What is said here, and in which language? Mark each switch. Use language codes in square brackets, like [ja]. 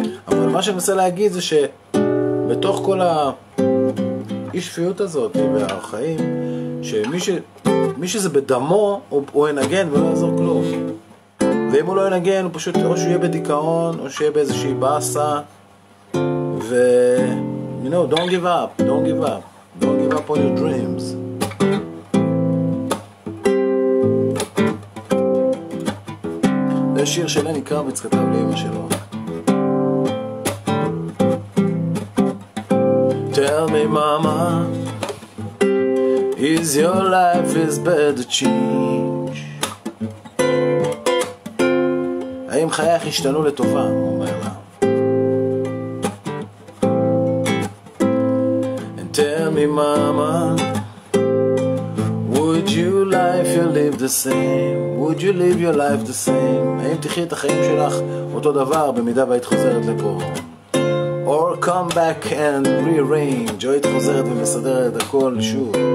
[he] אבל מה שאני מנסה להגיד זה שבתוך כל האי שפיות הזאת והחיים, שמי שזה בדמו, הוא ינגן ולא יעזור כלום. ואם הוא לא ינגן, הוא פשוט או שהוא יהיה בדיכאון, או שיהיה באיזושהי בסה. ו... [en] you know, don't give up, don't give up. Don't give up on your dreams. [he] השיר שלה נקרא וצכתב לאמא שלו. [en] Tell me mama, is your life is better change? [he] האם חייך השתנו לטובה? הוא אומר לה. [en] And tell me mama, would you life you live the same? Would you live your life the same? [he] האם תחי את החיים שלך אותו דבר במידה והיית חוזרת לפה? [en] Or come back and rearrange, [he] או היית חוזרת ומסדרת הכל שוב.